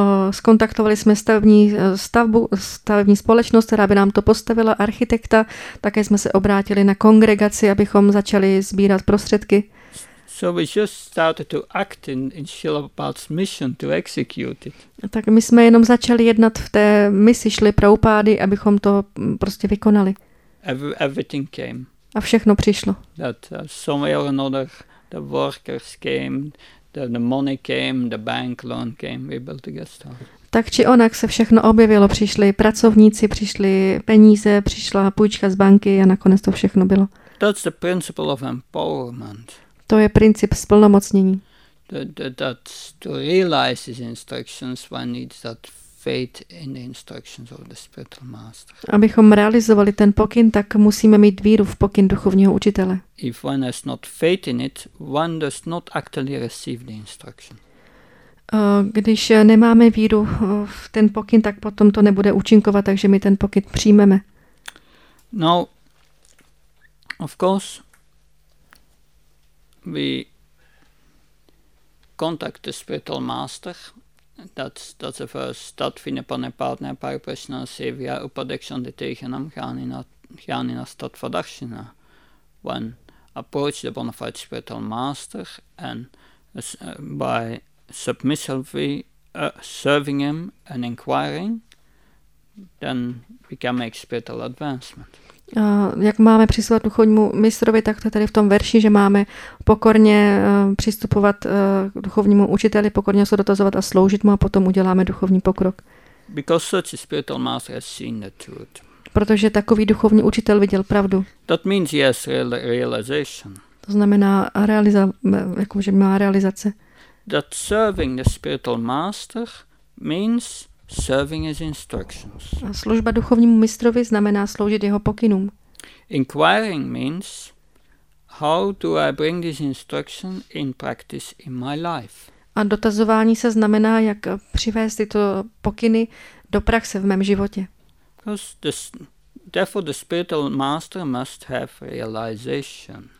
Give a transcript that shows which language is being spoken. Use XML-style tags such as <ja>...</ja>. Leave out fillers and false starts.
<cs>Skontaktovali jsme stavební společnost, která by nám to postavila, architekta. Také jsme se obrátili na kongregaci, abychom začali sbírat prostředky.</cs> <en>So we just started to act in Shilopad's mission to execute it.</en> <cs>Tak my jsme jenom začali jednat v té misi, šli pro upády, abychom to prostě vykonali.</cs> <en>Everything came.</en> <cs>A všechno přišlo.</cs> <en>That somewhere another, the workers came, the money came, the bank loan came, we built a guest house.</en> <cs>Tak či onak se všechno objevilo, přišli pracovníci, přišli peníze, přišla půjčka z banky a nakonec to všechno bylo.</cs> <en>That's the principle of empowerment.</en> <cs>To je princip splnomocnění.</cs> <en>That to realize his instructions, one needs that faith in the instructions of the spiritual master.</en> <cs>Abychom realizovali ten pokyn, tak musíme mít víru v pokyn duchovního učitele.</cs> <en>If one has not faith in it, one does not actually receive the instruction.</en> <cs>Když nemáme víru v ten pokyn, tak potom to nebude účinkovat, takže my ten pokyn přijmeme.</cs> <en>No, of course, we contact the spiritual master. That's the first stat fine pane partner par prasna sevya upadeksan de tegenam gaan in a stat vadakshina. One approach the bona fide spiritual master and by submissively serving him and inquiring, then we can make spiritual advancement.</en> <cs>Jak máme přistupovat duchovnímu mistrovi, tak to tady v tom verši, že máme pokorně přistupovat k duchovnímu učiteli, pokorně se dotazovat a sloužit mu a potom uděláme duchovní pokrok.</cs> <en>Because such a spiritual master has seen the truth.</en> <cs>Protože takový duchovní učitel viděl pravdu.</cs> <en>That means he has realization.</en> <cs>To znamená, jakože má realizace.</cs> <en>That serving the spiritual master means serving his instructions.</en> <cs>A služba duchovnímu mistrovi znamená sloužit jeho pokynům.</cs> <en>Inquiring means how do I bring this instruction in practice in my life.</en> <cs>A dotazování se znamená, jak přivést tyto pokyny do praxe v mém životě.</cs> <en>Therefore the spiritual master must have realization.</en>